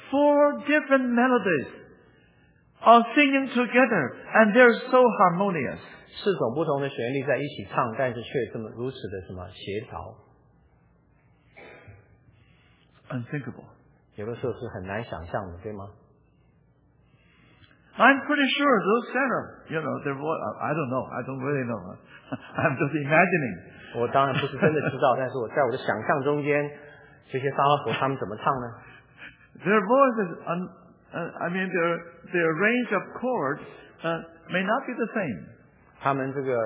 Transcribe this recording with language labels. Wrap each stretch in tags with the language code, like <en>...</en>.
<en>Four different melodies are singing together and they're so harmonious.</en> <zh>四种不同的旋律在一起唱，但是却如此的协调。</zh> <en>Unthinkable.</en> <zh>有的时候是很难想象的，对吗？</zh> <en>I'm pretty sure those seraphs, you know, they're what, I don't know, I don't really know. I'm just imagining.</en> <zh>我当然不是真的知道，但是我在我的想象中间，这些撒拉佛他们怎么唱呢？</zh> <en>Their voices, I mean, their range of chords may not be the same.</en>